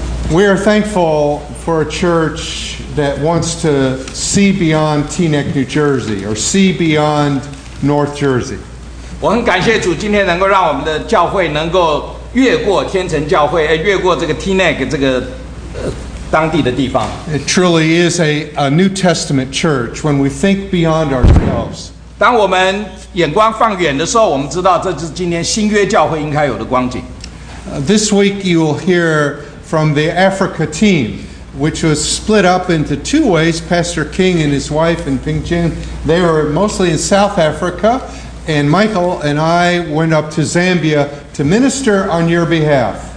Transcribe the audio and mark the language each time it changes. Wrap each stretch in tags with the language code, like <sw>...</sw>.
<en>We are thankful for a church that wants to see beyond Teaneck, New Jersey, or see beyond North Jersey.</en> <zh>我很感谢主今天能够让我们的教会能够越过天成教会，越过这个 Teaneck 这个当地的地方。</zh> <en>It truly is a New Testament church when we think beyond ourselves.</en> <zh>当我们眼光放远的时候，我们知道这就是今天新约教会应该有的光景。</zh> <en>This week you will hear from the Africa team, which was split up into two ways. Pastor King and his wife in Ping Jin, they were mostly in South Africa, and Michael and I went up to Zambia to minister on your behalf.</en>